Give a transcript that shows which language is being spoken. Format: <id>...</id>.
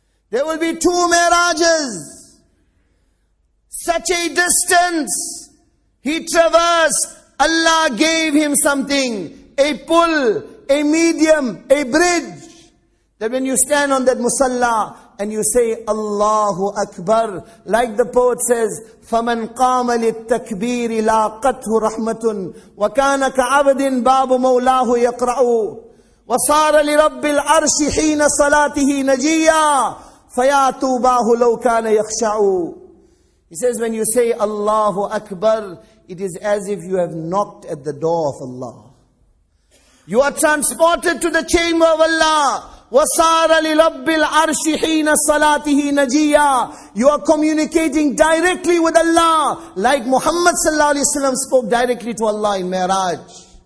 <en>There will be two mirages. Such a distance he traversed, Allah gave him something, a pull, a medium, a bridge. That when you stand on that musalla, and you say Allahu Akbar, like the poet says,</en> <ar>فَمَنْ قَامَ لِلْتَكْبِيرِ لَاقَتْهُ رَحْمَةٌ وَكَانَ كَعَبْدٍ بَابُ مَوْلَاهُ يَقْرَأُ وَصَارَ لِرَبِّ الْعَرْشِ حِينَ صَلَاتِهِ نَجِيَّا فَيَا تُوبَاهُ لَوْ كَانَ يَخْشَعُ.</ar> <en>He says, when you say Allahu Akbar, it is as if you have knocked at the door of Allah. You are transported to the chamber of Allah.</en> <ar>وَصَارَ لِرَبِّ الْعَرْشِ حِينَ صَلَاتِهِ نَجِيَّا.</ar> <en>You are communicating directly with Allah, like Muhammad sallallahu alayhi wa sallam spoke directly to Allah in Mi'raj.</en>